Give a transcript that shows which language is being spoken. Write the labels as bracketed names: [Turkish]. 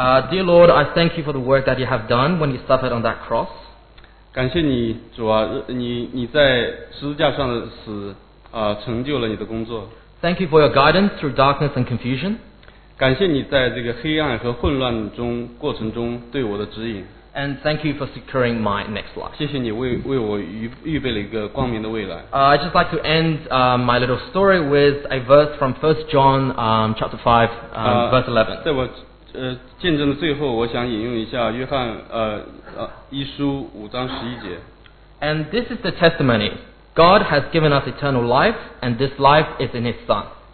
[English] Dear Lord, I thank you for the work that you have done when you suffered on that cross. [Chinese] 感谢你主啊，你在十字架上的死成就了你的工作。 [English] Thank you for your guidance through darkness and confusion. [Chinese] 感谢你在这个黑暗和混乱中过程中对我的指引。 [English] And thank you for securing my next life. [Chinese] 谢谢你为我预备了一个光明的未来。 [English] I'd just like to end my little story with a verse from 1 John chapter 5, verse 11. [Chinese] 在我见证的最后，我想引用一下约翰一书五章十一节。 [English] And this is the testimony. God has given us eternal life, and this life is in his Son.